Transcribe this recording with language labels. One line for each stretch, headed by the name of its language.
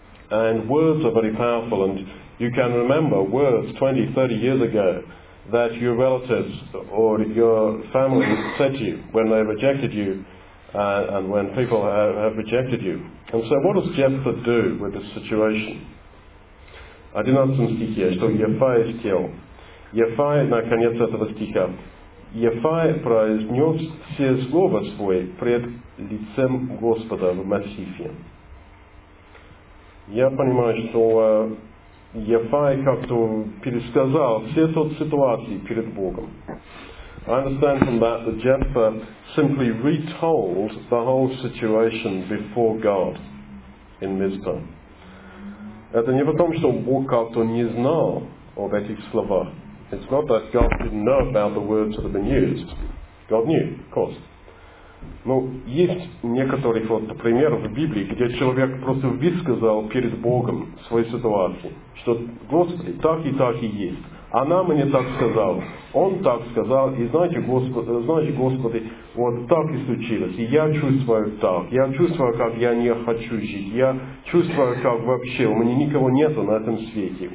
English: And words are very powerful, and you can remember words 20, 30 years ago that your relatives or your family said to you when they rejected you, and when people have rejected you. And so what does Jephthah do with this situation? I do not think here,
Russian: что Ефай сделал. Ефай, наконец, этого стиха. Ефай произнес все слова свои пред лицем Господа в Масифе. Я понимаю, что Ефай как-то пересказал все тот ситуации перед Богом.
English: I understand from that that Jephthah simply retold the whole situation before God in Mizpah.
Russian: Это не потому, что Бог как-то не знал об этих словах.
English: It's not that God didn't know about the words that have been used. God knew, of course.
Russian: Но есть некоторые вот примеры в Библии, где человек просто высказал перед Богом свою ситуацию, что Господи, так и есть. Она мне так сказала, он так сказал, и знаете, Господи, вот так и случилось, и я чувствую так, я чувствую, как я не хочу жить, я чувствую, как вообще у меня никого нету на этом свете.